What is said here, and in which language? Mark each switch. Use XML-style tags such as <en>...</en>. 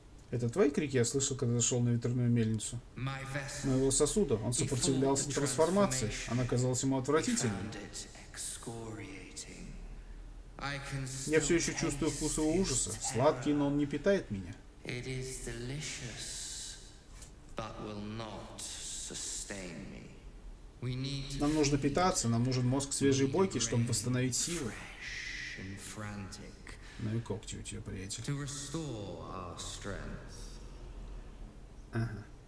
<ru>Это твои крики я слышал, когда зашел на ветряную мельницу? Моего сосуда. Он сопротивлялся трансформации. Она казалась ему отвратительной. Я все еще чувствую вкус его ужаса. Сладкий, но он не питает меня.</ru> <en>It is delicious, but will not sustain me.</en> <ru>Нам нужно питаться, нам нужен мозг свежей бойки, чтобы восстановить силы. Ну и когти у тебя, приятель. Ага.</ru>